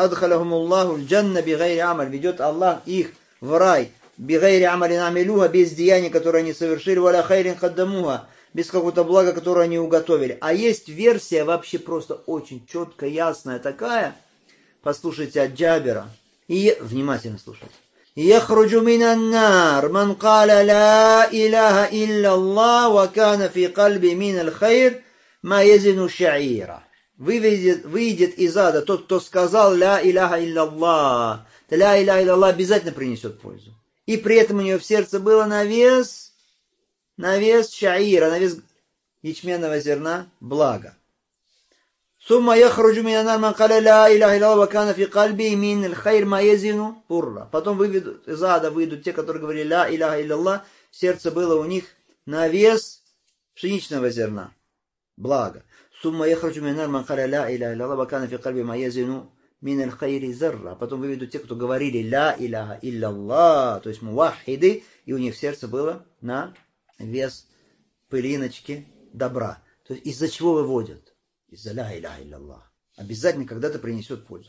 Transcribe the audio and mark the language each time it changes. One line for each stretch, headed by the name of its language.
Arabic: «Адхалахумуллаху джанна бигайри амаль»,
Russian: ведет Аллах их в рай.
Arabic: «Бигайри амали намилюха»,
Russian: без деяний, которые они совершили.
Arabic: «Валя хайрин хаддамуха»,
Russian: без какого-то блага, которое они уготовили. А есть версия вообще просто очень четкая, ясная такая. Послушайте от Джабера. И внимательно слушайте.
Arabic: يخرج من النار من قال لا إله إلا الله وكان في قلبه من الخير ما يزن شعيرا.
Russian: Выйдет из ада тот, кто сказал
Arabic: لا إله إلا الله. لا إله إلا الله
Russian: обязательно принесет пользу. И при этом у него в сердце было на вес шаира, на вес ячменного зерна блага.
Arabic: ثم يخرج من النار من قال لا إله إلا الله وكان في قلبه من الخير ما يزن برا.
Russian: Потом выведут из ада выйдут те, которые говорили
Arabic: لا إله إلا الله,
Russian: сердце было у них на вес пшеничного зерна благо.
Arabic: ثم يخرج من النار من قال لا إله إلا الله وكان في قلبه ما يزن من الخير زرة.
Russian: Потом выведут те, кто говорили
Arabic: لا إله إلا الله,
Russian: то есть муахиды, и у них сердце было на вес пылиночки добра. То есть из-за чего выводят? Из-за
Arabic: ля иляха илляллах.
Russian: Обязательно когда-то принесет пользу.